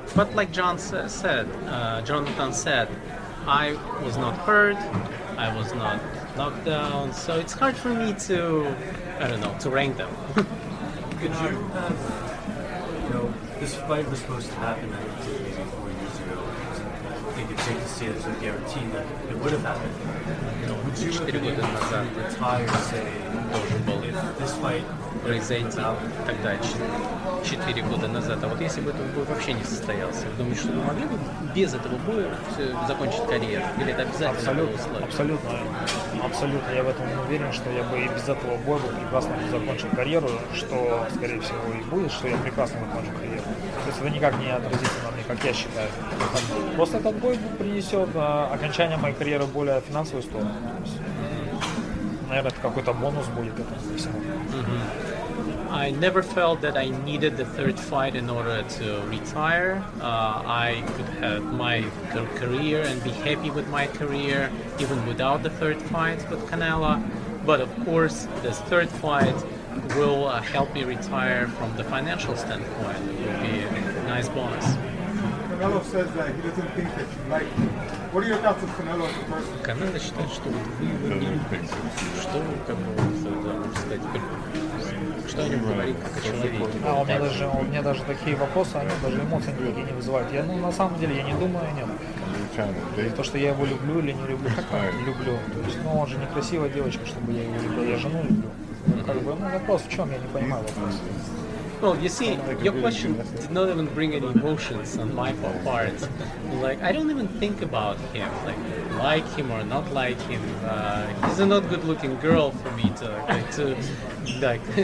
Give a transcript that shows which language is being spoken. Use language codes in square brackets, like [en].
[en] But like Jonathan said, I was not hurt, I was not knocked down, so it's hard for me to, I don't know, to rank them. Could you have, you know, this fight was supposed to happen, I think, maybe 4 years ago. I think it's safe to say there's a guarantee that it would have happened. You know, would you have been able to retire, say, if this fight [ru] произойти тогда, 4 года назад. А вот если бы этот бой вообще не состоялся, вы думаете, что вы могли бы без этого боя закончить карьеру? Или это обязательно абсолютно, условие? Абсолютно. Абсолютно. Я в этом уверен, что я бы и без этого боя бы прекрасно закончил карьеру, что, скорее всего, и будет, что я прекрасно закончу карьеру. То есть это никак не отразится на мне, как я считаю. Просто этот бой принесет окончание моей карьеры более финансовую сторону. Наверное, это какой-то бонус будет этому всему. Mm-hmm. [en] I never felt that I needed the third fight in order to retire. I could have my career and be happy with my career even without the third fight with Canelo. But of course, the third fight will help me retire from the financial standpoint. It will be a nice bonus. Canelo says that he doesn't think that you like him. What are your thoughts on Canelo as a person? [ru] Что вы как бы сказать? Что о нем говорить как о человеке? А у меня даже такие вопросы, они даже эмоции никакие не вызывают. Я на самом деле я не думаю о нем. То, что я его люблю или не люблю, как я люблю. То есть, ну он же некрасивая девочка, чтобы я его любил. Я жену люблю. Как бы, ну вопрос в чем, я не понимаю вопрос. [en] Well, you see, your question did not even bring any emotions on my part. Like, I don't even think about him, like him or not like him. He's a not good-looking girl for me to think.